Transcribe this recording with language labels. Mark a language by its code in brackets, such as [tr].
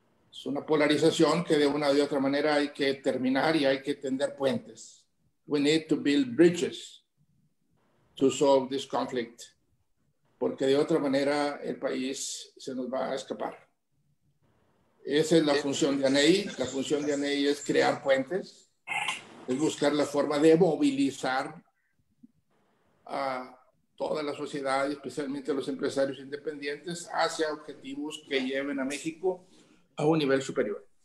[es] Es una polarización que de una u otra manera hay que terminar y hay que tender puentes. [en] We need to build bridges to solve this conflict. [es] Porque de otra manera el país se nos va a escapar. Esa es la función de ANEI. La función de ANEI es crear puentes, es buscar la forma de movilizar a toda la sociedad, especialmente a los empresarios independientes, hacia objetivos que lleven a México a un nivel superior.